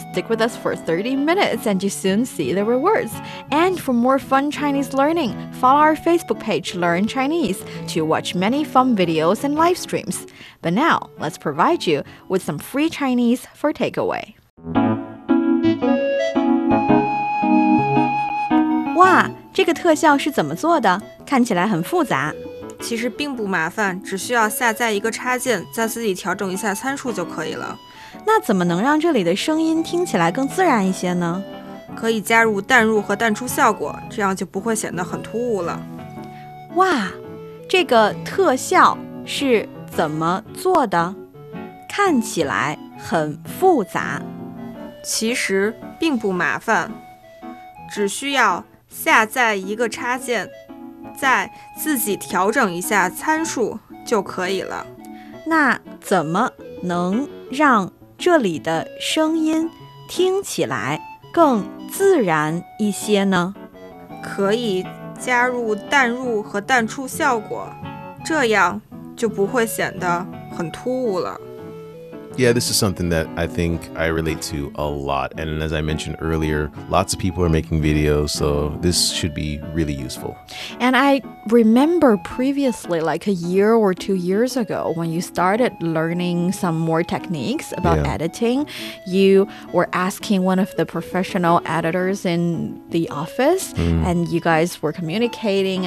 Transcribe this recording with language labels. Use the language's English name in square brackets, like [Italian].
[English] Stick with us for 30 minutes and you soon see the rewards. And for more fun Chinese learning, follow our Facebook page, Learn Chinese, to watch many fun videos and live streams. But now, let's provide you with some free Chinese for takeaway. [Chinese] 哇,这个特效是怎么做的?看起来很复杂。其实并不麻烦,只需要下载一个插件,在自己调整一下参数就可以了。那怎么能让这里的声音听起来更自然一些呢? 可以加入淡入和淡出效果,这样就不会显得很突兀了。哇，这个特效是怎么做的？看起来很复杂。其实并不麻烦，只需要下载一个插件，再自己调整一下参数就可以了。那怎么能让这里的声音听起来更自然一些呢？可以加入淡入和淡出效果，这样就不会显得很突兀了。 [English] Yeah, this is something that I think I relate to a lot. And as I mentioned earlier, lots of people are making videos, so this should be really useful. And I remember previously, like a year or 2 years ago, when you started learning some more techniques about editing, you were asking one of the professional editors in the office, and you guys were communicating.